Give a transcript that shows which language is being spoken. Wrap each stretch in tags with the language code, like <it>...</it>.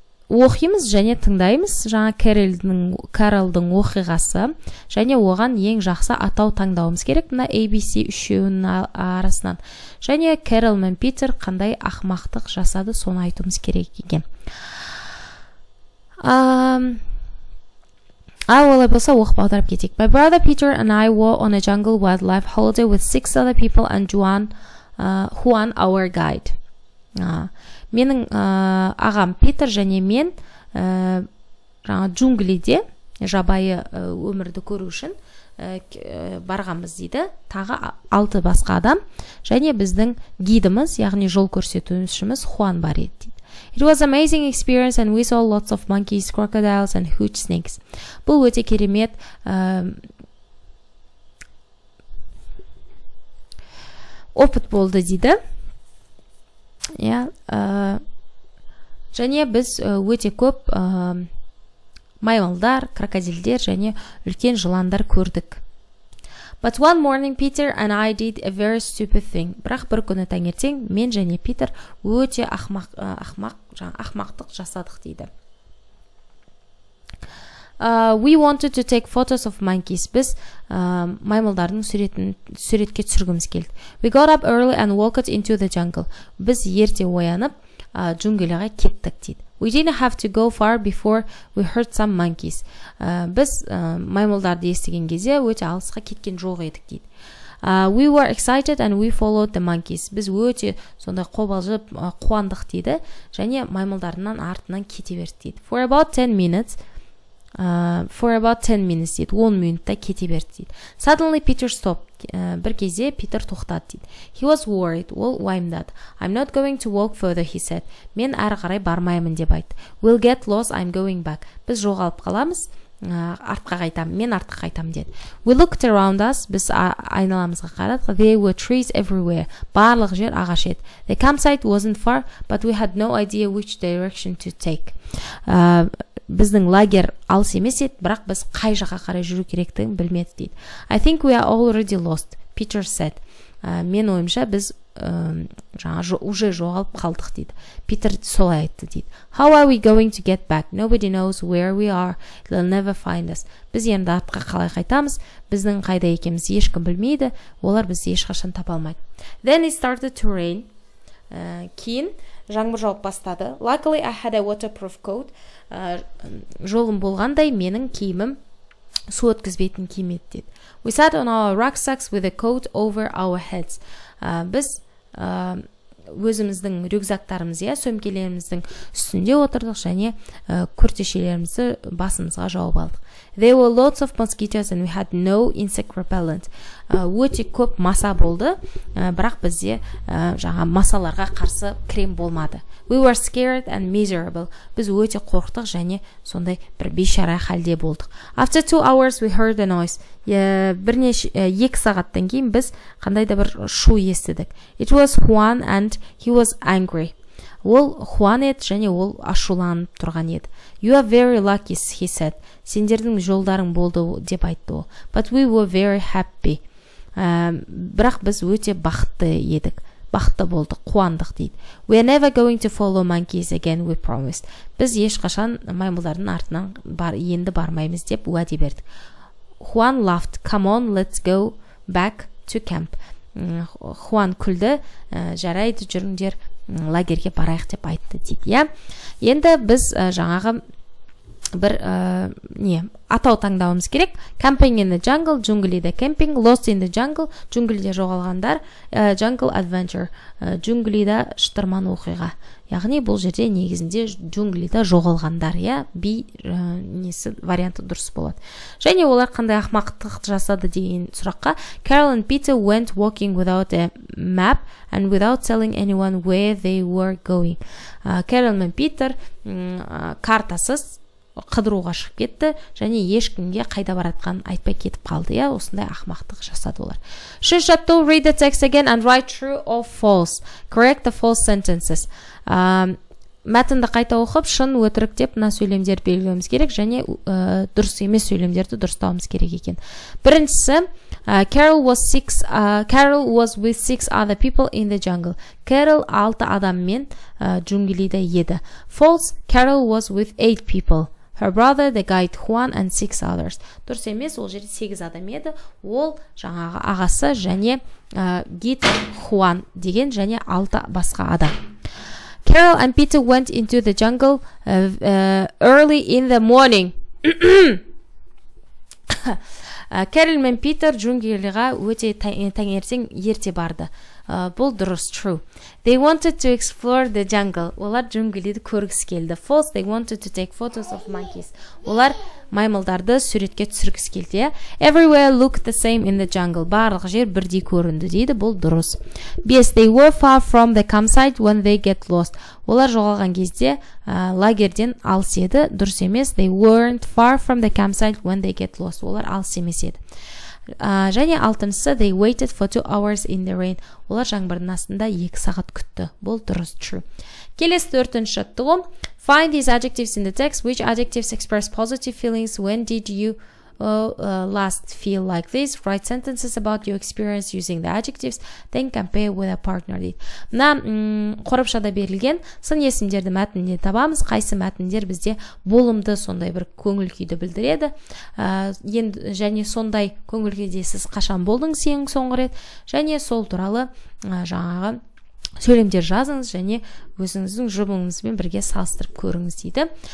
<kk>Оқимыз және тыңдаймыз жаңа Кэролдың оқиғасы және оған ең жақсы атау таңдауымыз керек мына ABC үшеуінің арасынан. Және Кэрол мен Питер қандай ақымақтық жасады соны айтуымыз керек екен. Олай болса оқып аударып кетейік.</kk> <en>My brother Peter and I were on a jungle wildlife holiday with six other people and Juan, our guide.</en> <kk>Менің ағам Питер және мен джунглиде жабайы өмірді көру үшін барғанбыз дейді. Тағы алты басқа адам және біздің гидіміз, яғни жол көрсетушіміз Хуан бар еді дейді.</kk> <en>It was amazing experience and we saw lots of monkeys, crocodiles and huge snakes.</en> <kk>Бұл өте керемет. Опыт болды дейді. Және біз өте көп маймылдар, крокодилдер және үлкен жыландар көрдік.</kk> <en>But one morning Peter and I did a very stupid thing.</en> <kk>Бірақ бір күні таңертең мен және Питер өте ақмақтық жасадық дейді.</kk> <en>We wanted to take photos of monkeys.</en> <kk>Біз маймылдардың суретке түсіргіміз келді.</kk> <en>We got up early and walked into the jungle.</en> <kk>Біз ерте оянып, джунгліге кеттік дейді.</kk> <en>We didn't have to go far before we heard some monkeys.</en> <kk>Біз маймылдарды естіген кезде өте алысқа кеткен жоқ едік дейді.</kk> <en>We were excited and we followed the monkeys.</en> <kk>Біз өте сонда қобалжып қуандық дейді. Және маймылдарынан артынан кете берді дейді.</kk> <en>For about 10 minutes.</en> <kk>Дейді, 10 минутта кете берді дейді.</kk> <en>Suddenly Peter stopped.</en> <kk>Бір кезде Питер тоқтады дейді.</kk> <en>He was worried.</en> <kk>Ол уайымдады.</kk> <en>I'm not going to walk further, he said.</en> <kk>Мен әрі қарай бармаймын деп айтты.</kk> <en>We'll get lost, I'm going back.</en> <kk>Біз жоғалып қаламыз, мен артқа қайтам деді.</kk> <en>We looked around us,</en> <kk>біз айналамызға қарадық.</kk> <en>There were trees everywhere.</en> <kk>Барлық жер ағаш еді.</kk> <en>The campsite wasn't far, but we had no idea which direction to take.</en> <kk>Біздің лагер алыс емес еді, бірақ біз қай жаққа қарай жүру керектігін білмеді дейді.</kk> <en>I think we are already lost, Peter said.</en> <kk>Мен ойымша біз</kk> <ru>уже</ru> <kk>жоғалып қалдық дейді. Питер солай айтты дейді.</kk> <en>How are we going to get back? Nobody knows where we are. They'll never find us.</en> <kk>Біз енді артқа қалай қайтамыз. Біздің қайда екеміз ешкім білмейді. Олар бізді ешқашан тапа алмайды.</kk> <en>Then it started to rain.</en> <kk>Кейін жаңбыр жауып бастады.</kk> <en>Luckily I had a waterproof coat.</en> <kk>Жолым болғандай менің киімім су өткізбейтін киім еді дейді.</kk> <en>We sat on our rucksacks with a coat over our heads.</en> <kk>Біз өзіміздің рюкзактарымыз, сөмкелеріміздің үстінде отырдық және күртешелерімізді басымызға жауып алдық.</kk> <en>There were lots of mosquitoes and we had no insect repellent.</en> <kk>Өте көп маса болды, бірақ бізде жаңа масаларға қарсы крем болмады.</kk> <en>We were scared and miserable.</en> <kk>Біз өте қорқтық және сондай бір бейшара халде болдық.</kk> <en>After 2 hours we heard a noise.</en> <kk>Екі сағаттан кейін біз қандай да бір шу естідік.</kk> <en>It was Juan and he was angry.</en> <kk>Ол Хуан еді және ол ашуланып тұрған еді.</kk> <en>You are very lucky, he said.</en> <kk>Сендердің жолдарың болды деп айтты ол.</kk> <en>But we were very happy.</en> <kk>Бірақ біз өте бақытты едік. Бақытты болдық, қуандық дейді.</kk> <en>We are never going to follow monkeys again, we promised.</en> <kk>Біз ешқашан маймылдардың артынан енді бармаймыз деп уәде бердік. Хуан</kk> <en>laughed. Come on, let's go back to camp.</en> <kk>Хуан күлді. Жарайды, жүріңдер. Лагерге барайық деп айтты дейді. Енді біз жаңағы бір не атау таңдауымыз керек.</kk> <en>Camping in the jungle,</en> <kk>джунглиде кемпинг,</kk> <en>lost in the jungle,</en> <kk>джунглиде жоғалғандар,</kk> <en>jungle adventure,</en> <kk>джунглиде шытырман оқиға. Яғни бұл жерде негізінде джунглиде жоғалғандар, иә, би несі варианты дұрыс болады. Және олар қандай ақмақтық жасады деген сұраққа</kk> <en>Carol and Peter went walking without a map and without telling anyone where they were going.</en> <kk>Carol мен Питер картасыз қыдыруға шығып кетті, және ешкімге қайда баратқанын айтпай кетіп қалды, иә, осындай ақмақтық жасады олар.</kk> <en>Should shut down, read the text again and write true or false. Correct the false sentences.</en> <kk>Мәтінді қайта оқып, шын өтірік деп мына сөйлемдер белгілеуіміз керек, және дұрыс емес сөйлемдерді дұрыстауымыз керек екен. Біріншісі,</kk> <en>Carol was with six other people in the jungle.</en> <kk>Carol 6 адаммен джунглиде еді.</kk> <en>False, Carol was with 8 people. Her brother, the guide Juan and 6 others.</en> <kk>Дұрыс емес, ол жерде 8 адам еді. Ол жаңағы ағасы және гид Juan деген және 6 басқа адам.</kk> <en>Carol and Peter went into the jungle early in the morning.</en> <kk>Carol мен Питер джунглиге өте таңертең ерте барды. Бұл дұрыс,</kk> <en>true. They wanted to explore the jungle.</en> <kk>Олар джунглиді көргісі келді.</kk> <en>False, they wanted to take photos of monkeys.</en> <kk>Олар маймылдарды суретке түсіргісі келді.</kk> <en>Everywhere looked the same in the jungle.</en> <kk>Барлық жер бірдей көрінді, дейді. Бұл дұрыс.</kk> <en>Yes, they were far from the campsite when they get lost.</en> <kk>Олар жоғалған кезде лагерден алыс еді. Дұрыс емес.</kk> <en>They weren't far from the campsite when they get lost.</en> <kk>Олар алыс емес еді. Және алтыншысы,</kk> <en>they waited for 2 hours in the rain.</en> <kk>Олар жаңбырдың астында 2 сағат күтті. Бұл дұрыс,</kk> <en>true.</en> <kk>Келесі төртінші жаттығу.</kk> <en>Find these adjectives in the text. Which adjectives express positive feelings? When did you last feel like this? Write sentences about your experience using the adjectives. Then compare with a partner.</en> <kk>Мына қорапшада берілген сын есімдерді мәтінде табамыз. Қайсы мәтіндер бізде болымды сондай бір көңіл күйді білдіреді. Және сондай көңіл күйде сіз қашан болдыңыз ең соңғы рет. Және сол туралы жаңағы сөйлемдер жазыңыз, және өзіңіздің жұбыңызбен бірге салыстырып көріңіз, дейді.</kk>